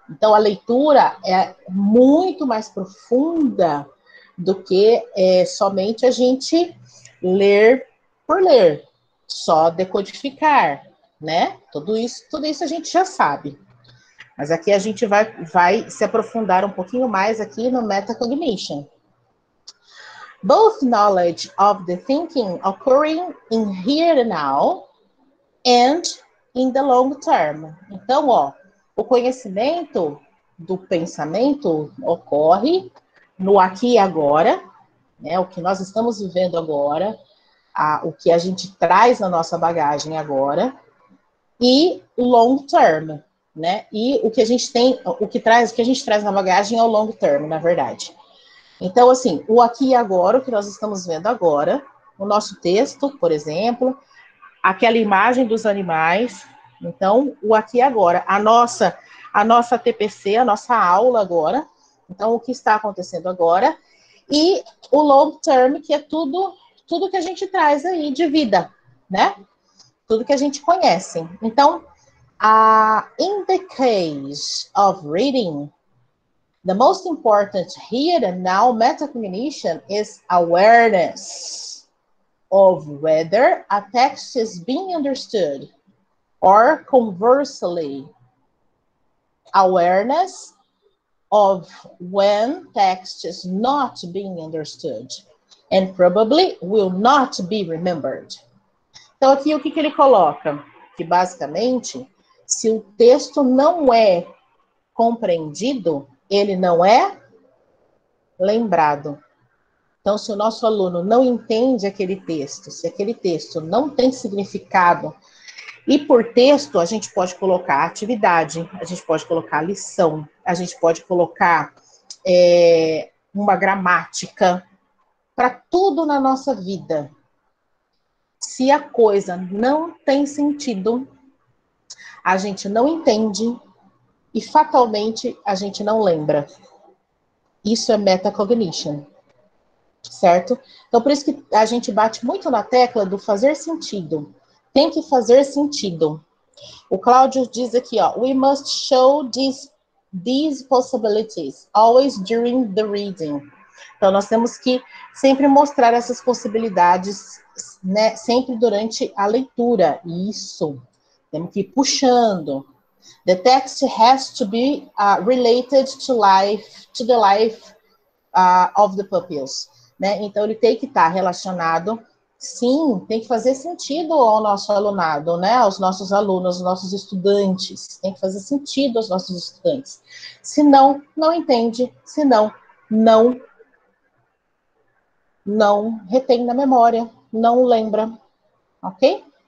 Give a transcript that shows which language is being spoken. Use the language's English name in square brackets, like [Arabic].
[Portuguese] Então, a leitura é muito mais profunda do que somente a gente ler por ler, só decodificar, né? Tudo isso a gente já sabe. Mas aqui a gente vai se aprofundar um pouquinho mais aqui no metacognition. [English] Both knowledge of the thinking occurring in here and now and in the long term. [Portuguese] Então, ó, o conhecimento do pensamento ocorre no aqui e agora, né? O que nós estamos vivendo agora, o que a gente traz na nossa bagagem agora, e long term, né? E o que a gente tem, o que a gente traz na bagagem é o long term, na verdade. Então, assim, o aqui e agora, o que nós estamos vendo agora, o nosso texto, por exemplo, aquela imagem dos animais, então, o aqui e agora, a nossa TPC, a nossa aula agora, então, o que está acontecendo agora, e o long term, que é tudo que a gente traz aí de vida, né? Tudo que a gente conhece. Então, [English] in the case of reading, the most important here and now metacognition is awareness of whether a text is being understood, or conversely, awareness of when text is not being understood and probably will not be remembered. [Portuguese] Então, aqui o que ele coloca? Que basicamente, se o texto não é compreendido, ele não é lembrado. Então, se o nosso aluno não entende aquele texto, se aquele texto não tem significado, e por texto a gente pode colocar atividade, a gente pode colocar lição, a gente pode colocar uma gramática, para tudo na nossa vida. Se a coisa não tem sentido, a gente não entende e fatalmente a gente não lembra. Isso é metacognition, certo? Então, por isso que a gente bate muito na tecla do fazer sentido. Tem que fazer sentido. O Cláudio diz aqui, ó, [English] we must show these possibilities always during the reading. [Portuguese] Então, nós temos que sempre mostrar essas possibilidades, né, sempre durante a leitura. Isso. Temos que ir puxando. [English] The text has to be related to life, to the life of the pupils. [Portuguese] Né? Então, ele tem que estar relacionado. Sim, tem que fazer sentido ao nosso alunado, né? Aos nossos alunos, aos nossos estudantes. Tem que fazer sentido aos nossos estudantes. Se não, não entende. Se não, não. Não retém na memória. Não lembra. Ok?